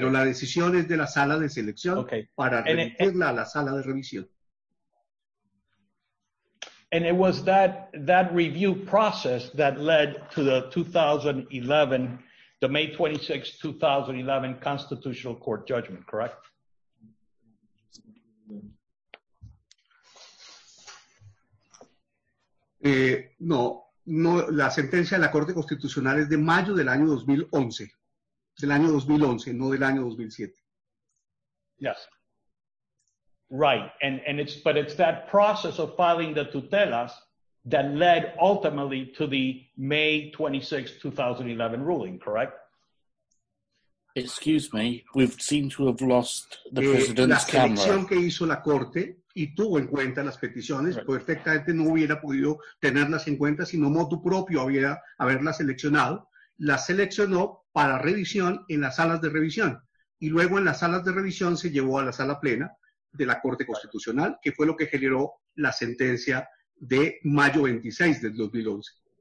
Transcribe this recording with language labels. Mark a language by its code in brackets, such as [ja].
[es] Pero la decisión es de la sala de selección para remitirla a la sala de revisión. [en] And it was that review process that led to the 2011, the May 26, 2011 Constitutional Court judgment, correct? [es] No, la sentencia de la Corte Constitucional es de mayo del año 2011, del año 2011, no del año 2007. [en] Yes. Right, and it's that process of filing the tutelas that led ultimately to the May 26, 2011 ruling, correct? Excuse me, we've seemed to have lost the president's camera. [es] La selección que hizo la corte y tuvo en cuenta las peticiones, [en] right. [es] Perfectamente no hubiera podido tenerlas en cuenta si no motu propio hubiera haberlas seleccionado. La seleccionó para revisión en las salas de revisión. Y luego en las salas de revisión se llevó a la sala plena de la Corte Constitucional, que fue lo que generó la sentencia de mayo 26 del 2011.